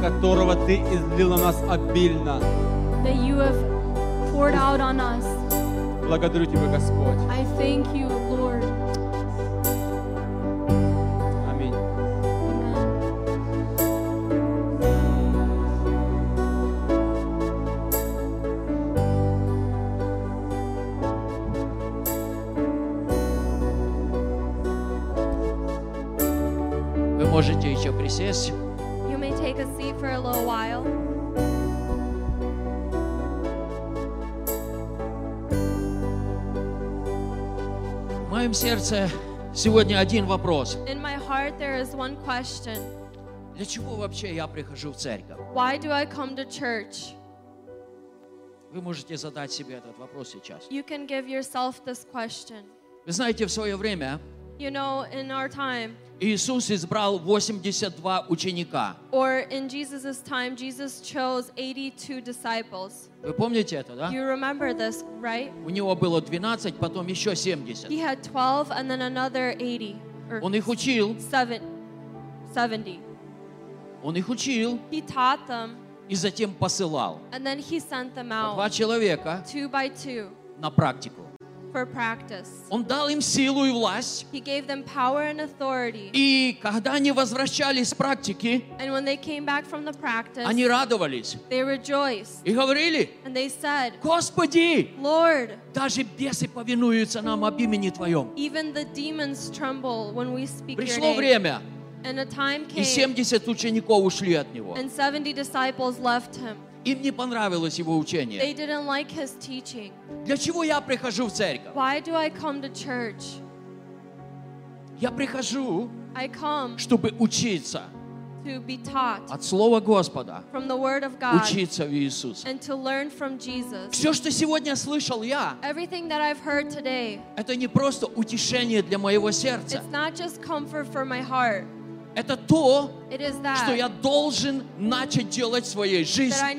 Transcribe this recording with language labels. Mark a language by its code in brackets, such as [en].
[ru] Которого Ты излил на нас обильно. [en] That you have poured out on us. [ru] Благодарю Тебя, Господь. [en] I thank you, Lord. [ru] Можете еще присесть. [en] You may take a seat for a little while. [ru] В моем сердце сегодня один вопрос. [en] In my heart there is one question. [ru] Для чего вообще я прихожу в церковь? [en] Why do I come to church? [ru] Вы можете задать себе этот вопрос сейчас. [en] You can give yourself this question. [ru] Вы знаете, в свое время [en] You know, in our time, [ru] Иисус избрал 82 ученика. [en] Or in Jesus's time, Jesus chose 82 disciples. [ru] Вы помните это, да? [en] You remember this, right? [ru] У него было 12, потом еще 70. [en] He had 12 and then another 80. [ru] Он их учил. [en] 70. [ru] Он их учил. [en] He taught them. [ru] И затем посылал. [en] And then he sent them out. [ru] Два человека. [en] Two by two. [ru] На практику. [en] For practice. [ru] Он дал им силу и власть. [en] He gave them power and authority. [ru] И когда они возвращались с практики, [en] and when they came back from the practice, [ru] они радовались. [en] They rejoiced. [ru] И говорили, [en] and they said, [ru] Господи, [en] Lord, [ru] даже бесы повинуются нам об имени Твоем. [en] Even the demons tremble when we speak [ru] Пришло [en] your name. [ru] Время, [en] and a time came, [ru] и 70 учеников ушли от него. [en] And 70 disciples left him. [ru] Им не понравилось его учение. [en] They didn't like his teaching. [ru] Для чего я прихожу в церковь? [en] Why do I come to church? [ru] Я прихожу, [en] I come [ru] чтобы учиться [en] to be taught [ru] от Слова Господа, [en] from the word of God, [ru] учиться в Иисусе. [en] And to learn from Jesus. [ru] Все, что сегодня слышал я, [en] Everything that I've heard today, [ru] это не просто утешение для моего сердца. [en] It's not just comfort for my heart. [ru] Это то, что я должен начать делать в своей жизни.